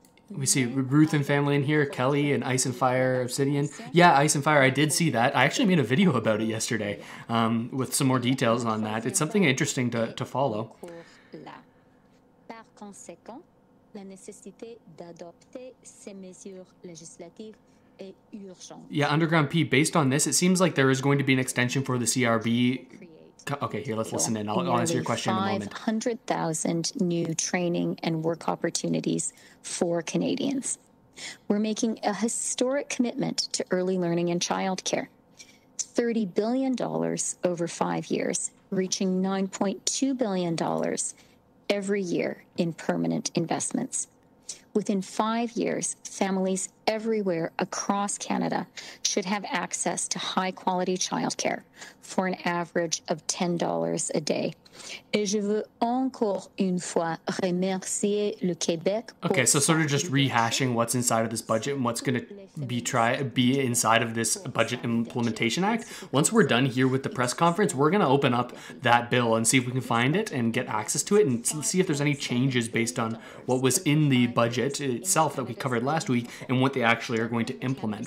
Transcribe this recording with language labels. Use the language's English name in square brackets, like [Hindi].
[English] We see Ruth and family in here, Kelly and Ice and Fire Obsidian. Yeah, Ice and Fire, I did see that. I actually made a video about it yesterday with some more details on that. It's something interesting to follow. [French] Par conséquent, la nécessité d'adopter ces mesures législatives. [English] Yeah, Underground P, based on this, it seems like there is going to be an extension for the CRB. Okay, here, let's listen in. I'll answer your question in a moment. 500,000 new training and work opportunities for Canadians. We're making a historic commitment to early learning and childcare. $30 billion over 5 years, reaching $9.2 billion every year in permanent investments. Within 5 years, families everywhere across Canada should have access to high-quality childcare for an average of $10 a day. [French] Et je veux encore une fois remercier le Québec. [English] Okay, so sort of just rehashing what's inside of this budget and what's going to be inside of this Budget Implementation Act. Once we're done here with the press conference, we're going to open up that bill and see if we can find it and get access to it and see if there's any changes based on what was in the budget itself that we covered last week and what they actually are going to implement.